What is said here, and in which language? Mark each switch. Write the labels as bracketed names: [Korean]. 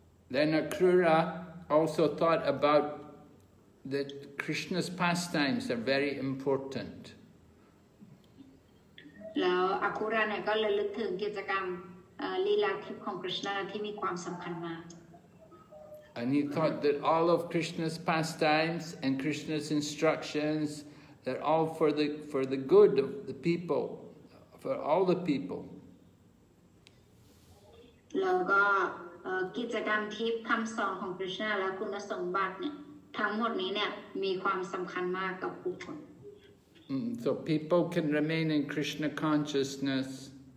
[English] Then Akrura also thought about that Krishna's pastimes are very important. [Thai] แล้วอคุระเนี่ยก็เลยนึกถึงกิจกรรมลีลาทิพย์ของคริสนาที่มีความสำคัญมาก [English] And he thought that all of Krishna's pastimes and Krishna's instructions, they're all for the good of the people, for all the people. So people can remain in Krishna consciousness.